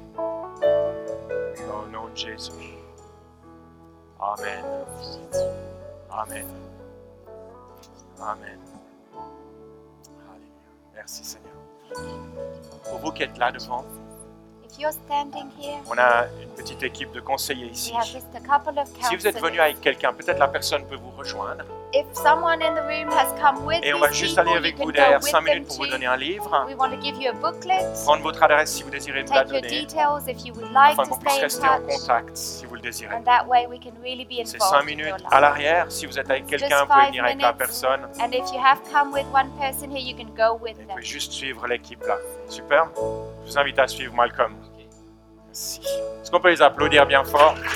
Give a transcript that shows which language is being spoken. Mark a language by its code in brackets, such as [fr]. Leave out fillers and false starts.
[fr] Dans le nom de Jésus. Amen. Amen. Amen. Alléluia. Merci Seigneur. Pour vous qui êtes là devant, [en] If you're standing here, [fr] on a une petite équipe de conseillers ici. [en] We have just a couple of counselors. [fr] Si vous êtes venu avec quelqu'un, peut-être la personne peut vous rejoindre. [en] If someone in the room has come with [fr] Et on va juste aller avec vous derrière 5 minutes pour vous donner un livre. [en] We want to give you a booklet. [fr] Prendre votre adresse si vous désirez nous la donner. [en] Take your details if you would like [fr] enfin, [en] to stay in touch. [fr] Qu'on puisse rester en contact si vous le désirez. [en] And that way we can really be involved [fr] C'est 5 minutes à l'arrière. Si vous êtes avec quelqu'un, vous pouvez venir avec la personne. [en] And if you have come with one person here, you can go with [fr] Et [en] them. [fr] Vous juste suivre l'équipe là. Super. Je vous invite à suivre Malcolm. Merci. Est-ce qu'on peut les applaudir bien fort?